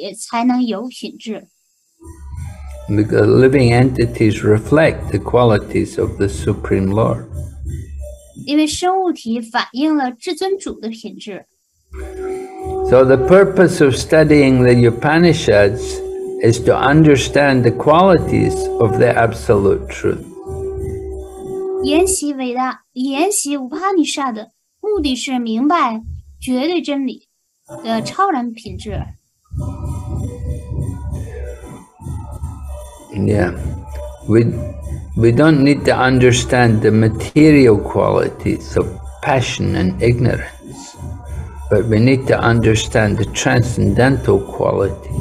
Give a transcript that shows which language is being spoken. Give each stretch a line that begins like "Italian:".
Chinese: 因为主有品质，所以生物体才能有品质。
English: The living entities reflect the qualities of the Supreme Lord.
Chinese: 因为生物体反映了至尊主的品质。
English: So the purpose of studying the Upanishads is to understand the qualities of the Absolute Truth.
Chinese: 研习伟大，研习乌帕尼沙的目的是明白绝对真理的超然品质。
English: Yeah, we don't need to understand the material qualities of passion and ignorance, but we need to understand the transcendental qualities.